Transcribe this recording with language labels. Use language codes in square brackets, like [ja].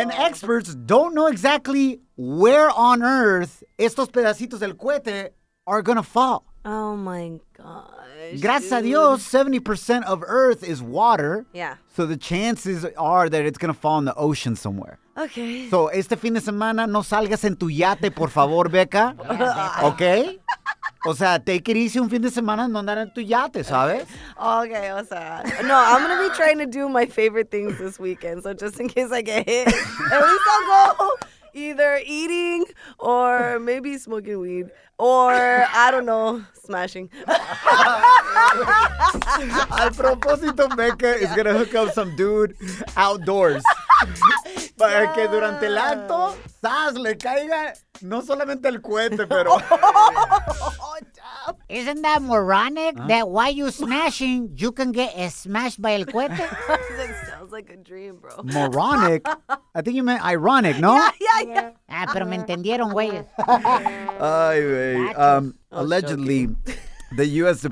[en] And experts don't know exactly where on Earth [es] estos pedacitos del cohete [en] are going to fall. Oh, my God. [es] Gracias a Dios, [en] 70% of Earth is water. Yeah. So the chances are that it's going to fall in the ocean somewhere. Okay. [es] So este fin de semana, no salgas en tu yate, por favor, Becca. Okay? O sea, [en] take it easy [es] un fin de semana no andar en tu yate, ¿sabes? Okay, o sea. [en] No, I'm going to be trying to do my favorite things this weekend. So just in case I get hit, at least I'll go either eating or maybe smoking weed. Or, I don't know, smashing. [es] Al propósito, [en] Becca is going to hook up some dude outdoors. [es] Para que durante el acto, ¡zas!, le caiga no solamente el cohete, pero... [en] Isn't that moronic that while you smashing, you can get smashed by [es] el cohete? [en] That sounds like a dream, bro. Moronic? I think you meant ironic, no? Yeah. [es] Ah, pero me entendieron, güey. Ay, güey. [en] Allegedly, the U.S.